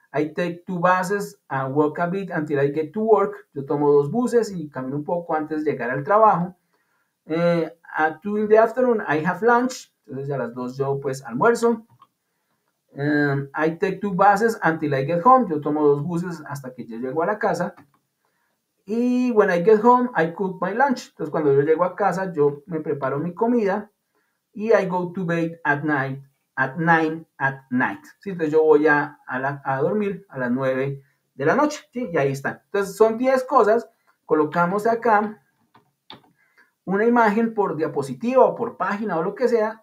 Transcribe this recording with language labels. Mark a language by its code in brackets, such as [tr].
[en] I take 2 buses and walk a bit until I get to work. [es] Yo tomo 2 buses y camino un poco antes de llegar al trabajo. [en] At 2 in the afternoon I have lunch. [es] Entonces a las 2 yo pues almuerzo. [en] I take 2 buses until I get home. [es] Yo tomo 2 buses hasta que yo llego a la casa. [en] Y when I get home, I cook my lunch. [es] Entonces, cuando yo llego a casa, yo me preparo mi comida. Y [en] I go to bed at nine at night. [es] ¿Sí? Entonces, yo voy a dormir a las 9 de la noche. ¿Sí? Y ahí está. Entonces, son 10 cosas. Colocamos acá una imagen por diapositiva o por página o lo que sea.